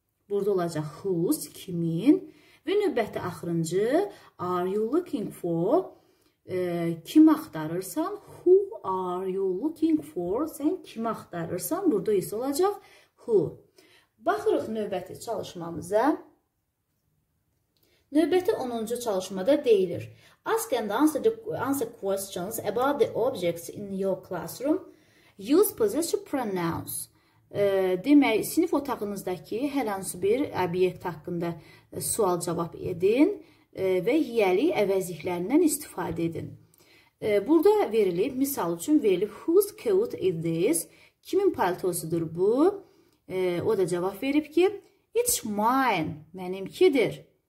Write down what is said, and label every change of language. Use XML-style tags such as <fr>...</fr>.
<az>Burada olacaq whose, kimin? Və növbəti axırıncı,</az> <en>are you looking for?</en> <az>Kim axtarırsan,</az> <en>who are you looking for?</en> <az>Sən kim axtarırsan, burada isə olacaq who. Baxırıq növbəti çalışmamıza. Növbəti 10-cu çalışmada deyilir.</az> <en>Ask and answer questions about the objects in your classroom. Use possessive pronouns.</en> <az>Demək, sinif otağınızdakı hər hansı bir obyekt haqqında sual cavab edin. Və yiyəli əvəzliklərindən istifadə edin. Burada verilib, misal üçün verilib,</az> <en>whose coat is this?</en> <az>Kimin paltosudur bu? O da cavab verib ki,</az> <en>it's mine,</en> <az>mənimkidir.</az>